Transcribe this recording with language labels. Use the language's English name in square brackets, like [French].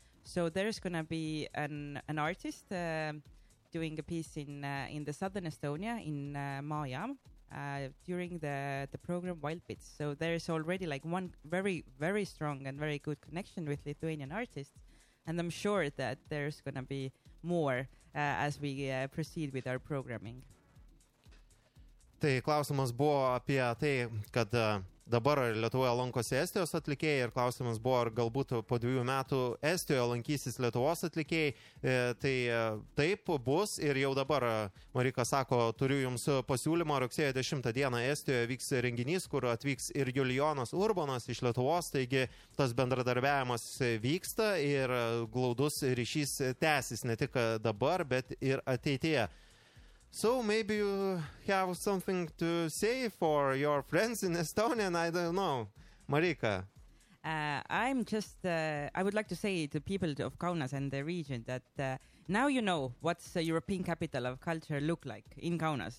[English] So there's going to be an artist doing a piece in the southern Estonia, in Maajam, during the program Wild Bits. So there's already like one very, very strong and very good connection with Lithuanian artists, and I'm sure that there's going to be more as we proceed with our programming. [Lithuanian] Tai klausimas buvo apie tai, kad dabar Lietuvoje lankosi Estijos atlikėjai ir klausimas buvo, ar galbūt po 2 metų Estijoje lankysis Lietuvos atlikėjai. Tai taip bus ir jau dabar, Marika sako, turiu jums pasiūlymą, rugsėjo 10 dieną Estijoje vyks renginys, kur atvyks ir Julijonas Urbonas iš Lietuvos, taigi tas bendradarbiavimas vyksta ir glaudus ryšys tęsis ne tik dabar, bet ir ateityje. [English] So maybe you have something to say for your friends in Estonia, I don't know. Marika. I would like to say to people of Kaunas and the region that now you know what's the European capital of culture look like in Kaunas.